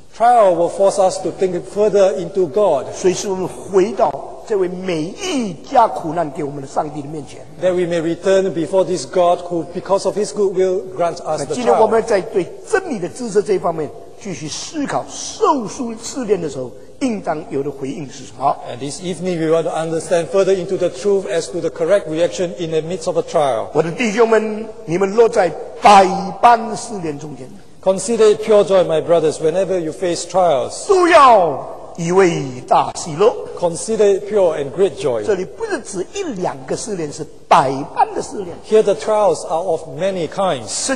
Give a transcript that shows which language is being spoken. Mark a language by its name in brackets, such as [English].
[English] Trial will force us to think further into God. [Chinese] 所以使我们回到这位美意加苦难给我们的上帝的面前。 [English] That we may return before this God who because of his good will grants us the trial. [Chinese] 今天我们在对真理的知识这方面继续思考受试炼的时候 应当有的回应是什么? [English] And this evening we want to understand further into the truth as to the correct reaction in the midst of a trial. [Chinese] 我的弟兄们，你们落在百般试炼中间。 [English] Consider it pure joy, my brothers, whenever you face trials. [Chinese] 都要以为大喜乐。 [English] Consider it pure and great joy. [Chinese] 这里不是指一两个试炼，是百般的试炼。 [English] Here the trials are of many kinds.